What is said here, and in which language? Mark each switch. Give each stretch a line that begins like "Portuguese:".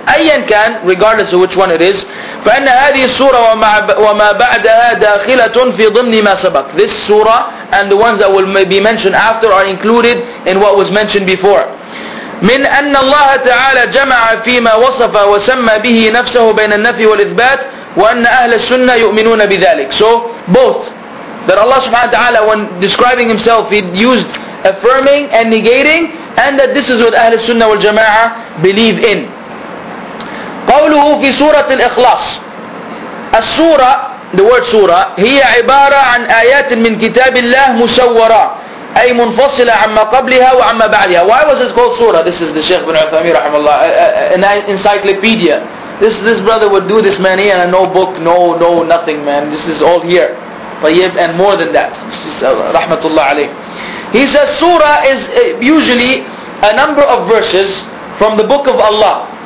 Arabic: أيًا كان,
English: regardless of which one it is,
Arabic: فإن هذه السورة وما بعدها داخلة في ضمن ما سبق.
English: This surah and the ones that will be mentioned after are included in what was mentioned before.
Arabic: من أن الله تعالى جمع فيما وصف وسمى به نفسه بين النفي والإثبات وأن أهل السنة يؤمنون بذلك.
English: So both. That Allah subhanahu wa ta'ala, when describing Himself, He used affirming and negating, and that this is what Ahl al-Sunnah wal-Jama'ah believe in.
Arabic: قوله في سورة الإخلاص. السورة,
English: the word
Arabic: سورة, هي عبارة عن آيات من كتاب الله مسورة, أي منفصلة عما قبلها وعما بعدها.
English: Why was it called سورة? This is the Sheikh bin Uthaymeen رحمه الله, an encyclopedia. This brother would do this, man, he had no book, no nothing, man. This is all here. And more than that, rahmatullah alayh. He says surah is usually a number of verses from the book of Allah.